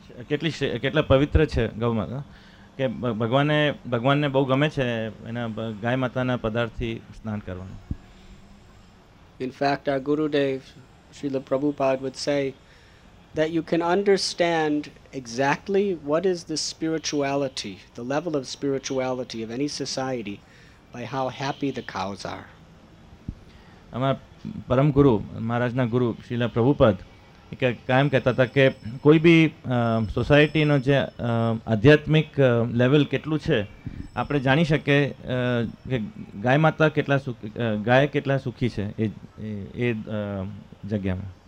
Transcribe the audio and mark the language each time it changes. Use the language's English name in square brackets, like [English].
[Gujarati] કેટલી કેટલા પવિત્ર છે ગૌ માતા, કે ભગવાને ભગવાનને બહુ ગમે છે એના ગાય માતાના પદાર્થથી સ્નાન કરવાનું. [English] In fact, our Gurudev, Srila Prabhupada, would say that you can understand exactly what is the spirituality, the level of spirituality of any society, by how happy the cows are. [Gujarati] Our Param Guru, Maharajna Guru, Srila Prabhupada, [Hindi] kayam kehta tha ke koi bhi [Gujarati] society no je adhyatmik level ketlu chhe, આપણે જાણી શકીએ કે ગાય માતા કેટલા સુખી, ગાય કેટલા સુખી છે એ એ જગ્યામાં.